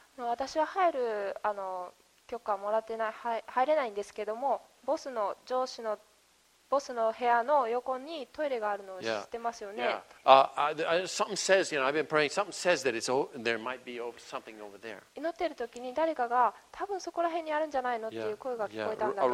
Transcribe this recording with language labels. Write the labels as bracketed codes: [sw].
[ja] 私は入る許可もらってない入れないんですけども、ボスの上司のボスの部屋の横にトイレがあるのを知ってますよね。 [en] Something says, you know, I've been praying. Something says that there might be something over there. [ja] 祈ってる時に誰かが多分そこら辺にあるんじゃないのっていう声が聞こえたんだけど。